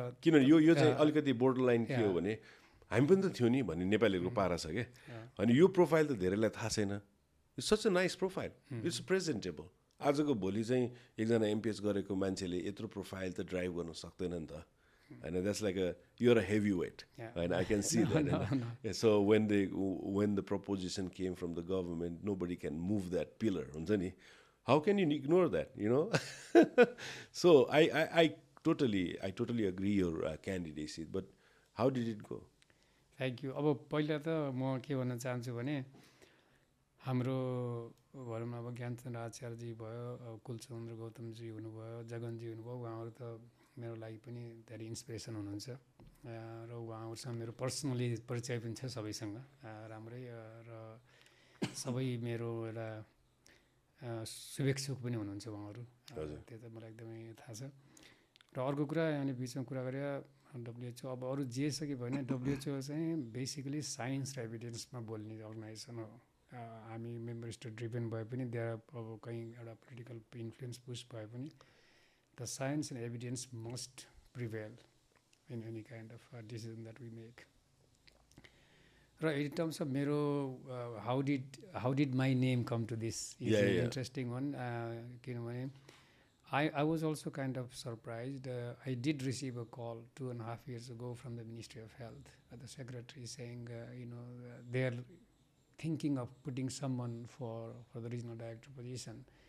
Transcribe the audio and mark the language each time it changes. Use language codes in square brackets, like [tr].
[ne] किनभने यो चाहिँ अलिकति बोर्डर लाइन के हो भने हामी पनि त थियो नि भन्ने नेपालीहरूको पारा छ क्या, अनि यो प्रोफाइल त धेरैलाई थाहा छैन, [en] it's such a nice profile, it's presentable, [ne] आजको भोलि चाहिँ एकजना एमपिएच गरेको मान्छेले यत्रो प्रोफाइल त ड्राइभ गर्न सक्दैन नि त [en] And that's like a, you're a heavyweight. Yeah. And I can see no, that. No, and no. So when the proposition came from the government, nobody can move that pillar. How can you ignore that, you know? So I totally agree your candidacy. But how did it go? Thank you. [ne] अब पहिला त म के भन्न चाहन्छु भने हाम्रो भनौँ न अब ज्ञानचन्द्र आचार्यजी भयो कुलचन्द्र गौतमजी हुनुभयो जगनजी हुनुभयो उहाँहरू त मेरो लागि पनि धेरै इन्सपिरेसन हुनुहुन्छ र उहाँहरूसँग मेरो पर्सनली परिचय पनि छ सबैसँग राम्रै र सबै मेरो एउटा शुभेच्छुक पनि हुनुहुन्छ उहाँहरू त्यो त मलाई एकदमै थाहा छ र अर्को कुरा अहिले बिचमा कुरा गरे डब्लुएचओ अब अरू जे सक्यो भने डब्लुएचओ चाहिँ बेसिकली साइन्स र एभिडेन्समा बोल्ने अर्गनाइजेसन हो हामी मेम्बर स्टेट ड्रिभन भए पनि देयर अब कहीँ एउटा पोलिटिकल इन्फ्लुएन्स पुस भए पनि [en] the science and evidence must prevail in any kind of decision that we make [ne] र इन टर्म्स अफ मेरो [en] How did my name come to this is an interesting one किनभने I was also kind of surprised. I did receive a call 2.5 years ago from the Ministry of Health, the secretary saying, they are thinking of putting someone for the regional director position.